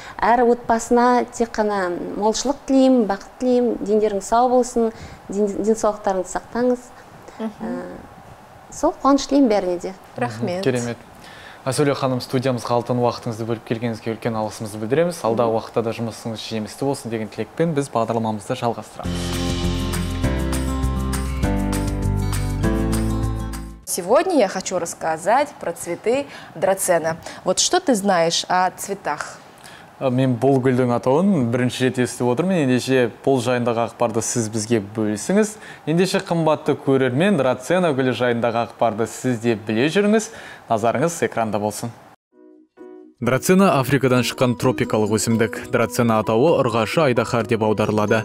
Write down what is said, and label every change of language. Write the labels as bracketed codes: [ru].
[kk] Әр отбасына тек қана молшылық тілеймін, бақыт тілеймін, дендеріңіз сау болсын, денсаулықтарыңызды сақтаңыз. Сол қуаныш тілеймін бәріне де. Рахмет. Керемет. Айсауля ханым, студиямызға алтын уақытыңызды бөліп келгеніңізге үлкен алғысымызды білдіреміз. Алдағы уақытта да жұмысыңыз жемісті болсын деген тілекпен біз бағдарламамызды жалғастырамыз. [ru] Сегодня я хочу рассказать про цветы драцена. Вот что ты знаешь о цветах? [kk] Мен бұл гүлдің атауын бірінші рет естіп отырмын. Ендеше бұл жайындағы ақпарды сіз бізге бөлісіңіз. Ендеше қымбатты көрермен, драцена гүлі жайындағы ақпарды сіз де біле жүріңіз. Назарыңыз экранда болсын. Драцина Африкадан шыққан тропикалық өсімдік. Драцина атауы ұрғашы айдахар деп аударылады.